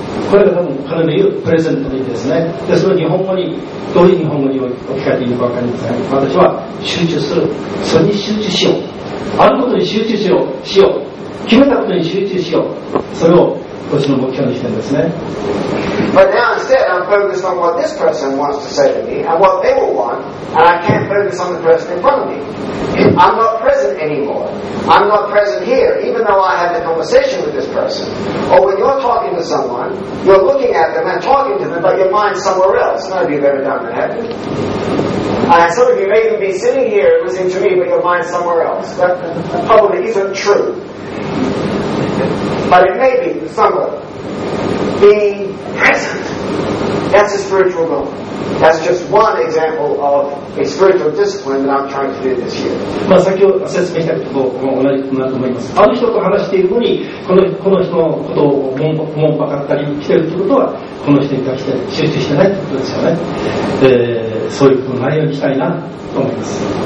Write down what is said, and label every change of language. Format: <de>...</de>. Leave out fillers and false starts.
<ja>これが多分彼の言うプレゼントの意味ですね。で、その日本語に、どういう日本語に置き換えていいのか分かりません。私は集中する。それに集中しよう。あることに集中しよう。しよう。決めたことに集中しよう。それを、こっちの目標にしてるんですね。</ja> <en>But now instead I'm focused on what this person wants to say to me and what they will want and I can't focus on the person in front of me. I'm not present anymore. I'm not present here even though I have the conversation with this person. Or when you're talking to someone, you're looking at them and talking to them but your mind's somewhere else. None of you have ever done that, have you? And some of you may even be sitting here listening to me but your mind's somewhere else. That probably isn't true. But it may be somewhere. Be present. That's a spiritual goal. That's just one example of a spiritual discipline that I'm trying to do this year.</en> <ja>まあ、先ほど説明したことも同じだと思います。ある人と話しているのに、この人のことを文化かったり来ているということは、この人に対して集中してないということですよね。そういうことのないようにしたいなと思います。</ja>